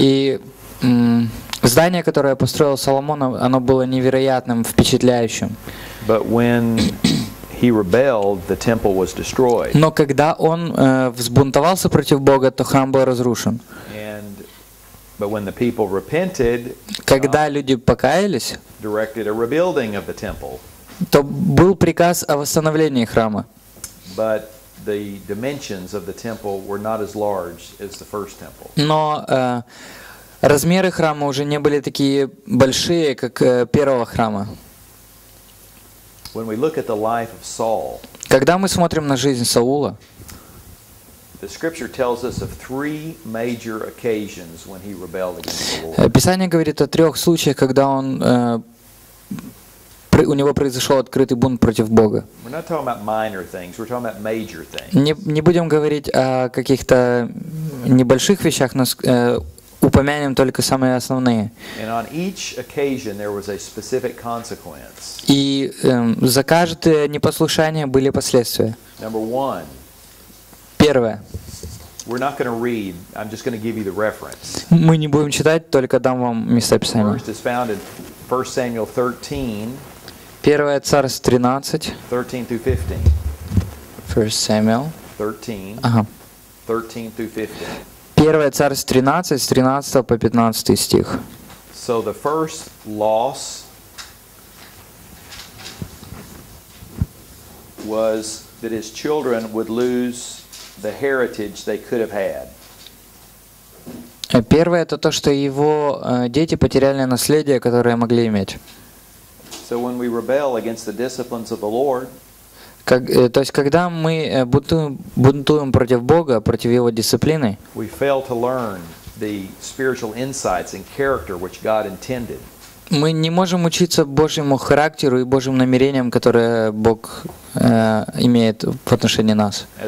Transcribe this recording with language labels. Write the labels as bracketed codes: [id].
[ru] И здание, которое построил Соломон, оно было невероятным, впечатляющим. [en] But when he rebelled, the temple was destroyed. [ru] Но когда он взбунтовался против Бога, то храм был разрушен. [en] And but when the people repented, [ru] когда люди покаялись, [en] directed a rebuilding of the temple. [ru] То был приказ о восстановлении храма. [en] But the dimensions of the temple were not as large as the first temple. [ru] Но размеры храма уже не были такие большие, как первого храма. [en] When we look at the life of Saul, [ru] когда мы смотрим на жизнь Саула, [en] the scripture tells us of three major occasions when he rebelled against the Lord. [ru] Писание говорит о трех случаях, когда он у него произошел открытый бунт против Бога. [en] We're not talking about minor things, we're talking about major things. [ru] Не будем говорить о каких-то небольших вещах, но упомянем только самые основные. [en] And on each occasion there was a specific consequence. [ru] И за каждое непослушание были последствия. [en] Number one. [ru] Первое. [en] We're not going to read. I'm just going to give you the reference. [ru] Мы не будем читать, только дам вам местописание. [en] First is found in 1 Samuel 13. [ru] Первое царство 13. [en] 13 through 15. First Samuel. 13. [ru] Ага. [en] 13 through 15. [ru] Первое царство 13, с 13 по 15 стих. [en] So the first loss was that his children would lose the heritage they could have had. [ru] Первое это то, что его дети потеряли наследие, которое могли иметь. [en] So when we rebel against the disciplines of the Lord, [ru] то есть, когда мы бунтуем против Бога, против Его дисциплины, мы не можем учиться Божьему характеру и Божьим намерениям, которые Бог имеет в отношении нас.